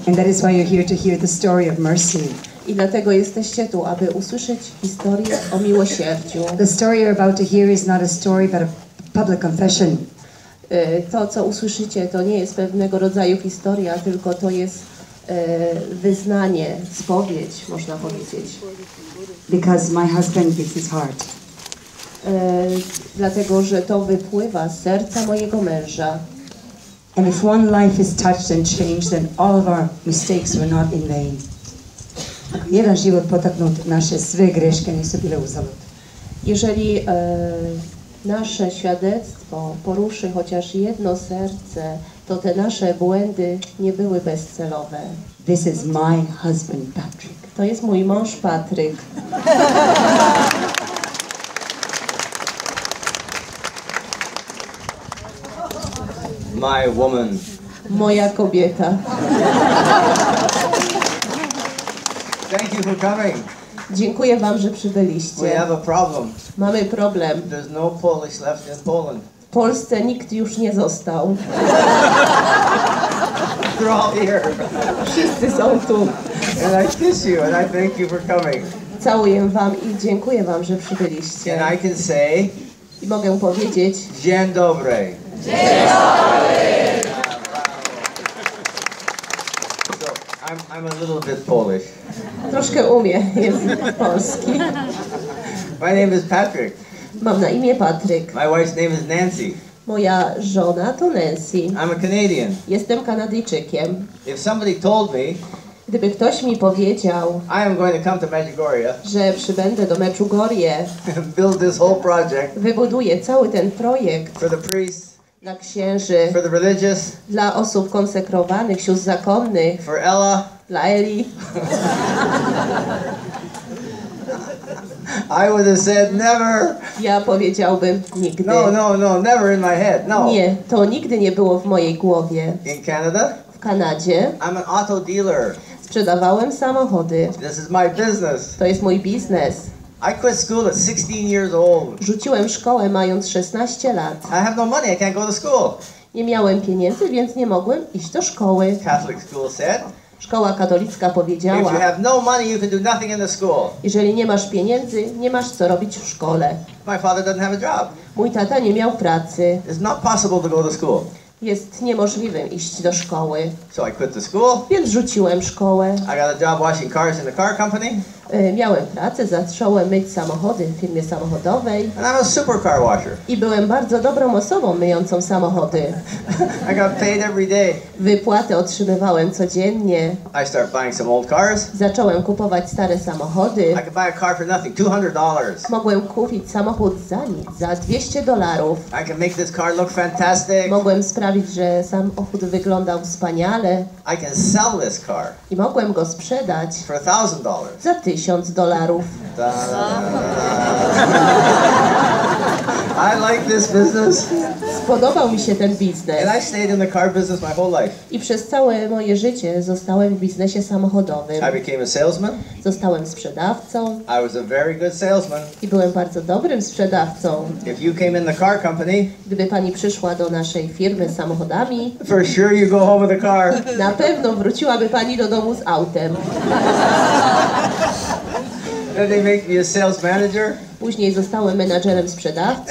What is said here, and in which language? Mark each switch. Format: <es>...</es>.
<en>And that is why you're here to hear the story of mercy.</en> <pl>I dlatego jesteście tu, aby usłyszeć historię o miłosierdziu.</pl> <en>The story you're about to hear is not a story, but a public confession.</en> <pl>To, co usłyszycie, to nie jest pewnego rodzaju historia, tylko to jest wyznanie, spowiedź, można powiedzieć.</pl> <en>Because my husband gives his heart.</en> <pl>Dlatego, że to wypływa z serca mojego męża.</pl> <en>And if one life is touched and changed, then all of our mistakes were not in vain. Jeden żywot potknął nasze swe grzeszki, nie są byle uzalot.</en> <pl>Jeżeli nasze świadectwo poruszy chociaż jedno serce, to te nasze błędy nie były bezcelowe.</pl> <en>This is my husband Patrick.</en> <pl>To jest mój mąż Patryk.</pl> <en>My woman.</en> <pl>Moja kobieta.</pl> <en>Thank you for coming.</en> <pl>Dziękuję wam, że przybyliście.</pl> <en>We have a problem.</en> <pl>Mamy problem.</pl> <en>There's no Polish left in Poland.</en> <pl>W Polsce nikt już nie został.</pl> <en>They're all here.</en> <pl>Wszyscy są tu.</pl> <en>And I kiss you and I thank you for coming.</en> <pl>Całuję wam i dziękuję wam, że przybyliście.</pl> <en>And I can say.</en> <pl>I mogę powiedzieć. Dzień dobry. Dzień dobry!</pl> <en>So, I'm a little bit Polish.</en> <pl>Troszkę umiem język polski.</pl> <en>My name is Patrick.</en> <pl>Mam na imię Patrick.</pl> <en>My wife's name is Nancy.</en> <pl>Moja żona to Nancy.</pl> <en>I'm a Canadian.</en> <pl>Jestem Kanadyjczykiem.</pl> <en>If somebody told me,</en> <pl>gdyby ktoś mi powiedział,</pl> <en>I am going to come to Medjugorje,</en> <pl>że przybędę do Medjugorje,</pl> <en>build this whole project,</en> <pl>wybuduję cały ten projekt</pl> <en>for the priest,</en> <pl>dla księży,</pl> <en>for the religious,</en> <pl>dla osób konsekrowanych, sióstr zakonnych,</pl> <en>for Ella,</en> <pl>dla Eli.</pl> <en>I would have said never.</en> <pl>Ja powiedziałbym nigdy.</pl> <en>No, never in my head. No.</en> <pl>Nie, to nigdy nie było w mojej głowie.</pl> <en>In Canada?</en> <pl>W Kanadzie.</pl> <en>I'm an auto dealer.</en> <pl>Sprzedawałem samochody.</pl> <en>This is my business.</en> <pl>To jest mój biznes.</pl> <en>I quit school at 16 years old.</en> <pl>Rzuciłem szkołę mając 16 lat.</pl> <en>I have no money, I can't go to school.</en> <pl>Nie miałem pieniędzy, więc nie mogłem iść do szkoły.</pl> <en>Catholic school said.</en> <pl>Szkoła katolicka powiedziała,</pl> <en>if you have no money, you can do nothing in the school.</en> <pl>Jeżeli nie masz pieniędzy, nie masz co robić w szkole.</pl> <en>My father doesn't have a job.</en> <pl>Mój tata nie miał pracy.</pl> <en>It's not possible to go to school.</en> <pl>Jest niemożliwe iść do szkoły.</pl> <en>So I quit the school.</en> <pl>Więc rzuciłem szkołę.</pl> <en>I got a job washing cars in a car company.</en> <pl>Miałem pracę, zacząłem myć samochody w firmie samochodowej.</pl> <en>And I'm a super car washer.</en> <pl>I byłem bardzo dobrą osobą myjącą samochody.</pl> <en>I got paid every day.</en> <pl>Wypłatę otrzymywałem codziennie.</pl> <en>I start buying some old cars.</en> <pl>Zacząłem kupować stare samochody.</pl> <en>I could buy a car for nothing, $200.</en> <pl>Mogłem kupić samochód za nic, za $200.</pl> <en>I can make this car look fantastic.</en> <pl>Mogłem sprawić, że samochód wyglądał wspaniale. ale</pl> <en>I can sell this car.</en> <pl>I mogłem go sprzedać</pl> <en>for $1,000.</en> <pl>Za $1,000.</pl> <en>I like this business.</en> <pl>Spodobał mi się ten biznes.</pl> <en>And I stayed in the car business my whole life.</en> <pl>I przez całe moje życie zostałem w biznesie samochodowym.</pl> <en>I became a salesman.</en> <pl>Zostałem sprzedawcą.</pl> <en>I was a very good salesman.</en> <pl>I byłem bardzo dobrym sprzedawcą.</pl> <en>If you came in the car company,</en> <pl>gdyby pani przyszła do naszej firmy samochodami,</pl> <en>for sure you go home with a car.</en> <pl>Na pewno wróciłaby pani do domu z autem.</pl> <en>Then they make me a sales manager.</en> <pl>Później zostałem menadżerem sprzedawcy.</pl>